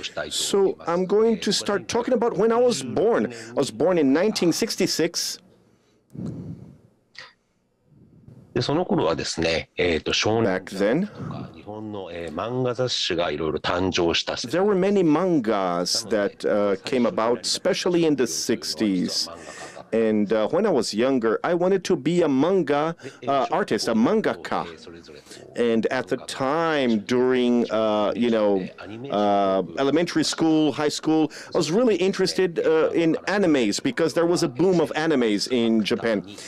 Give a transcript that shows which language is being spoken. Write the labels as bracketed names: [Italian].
[English] So, I'm going to start talking about when I was born. I was born in 1966. [Japanese] でその頃はですね、少年とか日本の、漫画雑誌がいろいろ誕生した。 [English] There were many mangas that came about, especially in the 60s. And when I was younger, I wanted to be a manga artist, a mangaka. And at the time, during elementary school, high school, I was really interested in animes because there was a boom of animes in Japan.